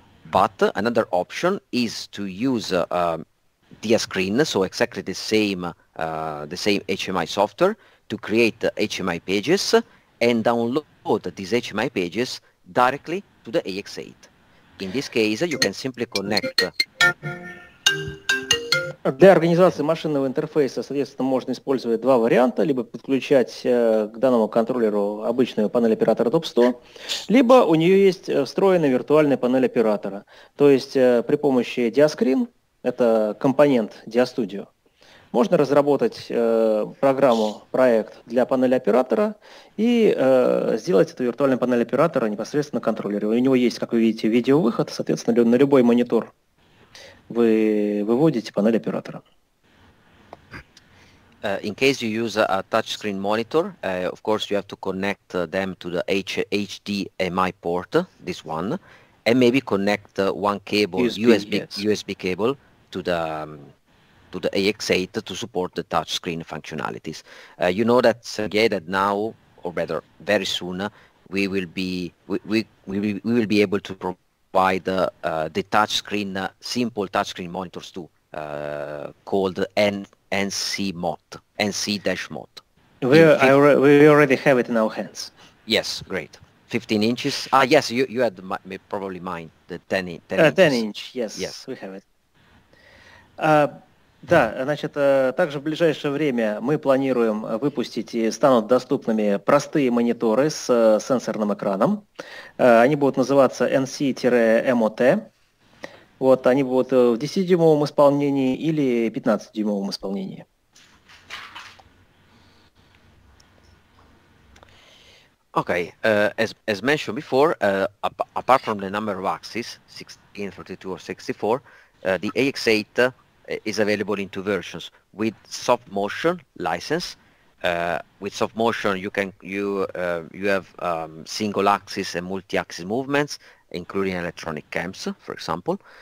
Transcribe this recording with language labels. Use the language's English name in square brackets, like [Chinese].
[English] But another option is to use the screen, so exactly the same HMI software, to create HMI pages and download these HMI pages directly to the AX8. In this case, you can simply connect... [Russian] Для организации машинного интерфейса, соответственно, можно использовать два варианта, либо подключать к данному контроллеру обычную панель оператора TOP100, либо у нее есть встроенная виртуальная панель оператора. То есть при помощи DiaScreen, это компонент DiaStudio, можно разработать программу, проект для панели оператора и сделать эту виртуальную панель оператора непосредственно на контроллере. У него есть, как вы видите, видеовыход, соответственно, на любой монитор вы выводите панель оператора. [English] In case you use a touchscreen monitor, of course you have to connect them to the HDMI port, this one, and maybe connect one cable, USB cable, to the AX8 to support the touchscreen functionalities. You know that, Sergey, that now, or better, very soon, we will be able to provide the touchscreen, simple touchscreen monitors too, called NC-MOT. We already have it in our hands. Yes, great. 15 inches. Ah, yes, you had probably mine, the 10 inches. 10 inch, yes, we have it. [Russian] Да, значит, также в ближайшее время мы планируем выпустить и станут доступными простые мониторы с сенсорным экраном. Они будут называться NC-MOT. Вот, они будут в 10-дюймовом исполнении или 15-дюймовом исполнении. [English] Okay, as mentioned before, apart from the number of axes, 16, 32 or 64, the AX8 is available in two versions with Soft Motion license. With Soft Motion, you have single axis and multi axis movements, including electronic cams, for example.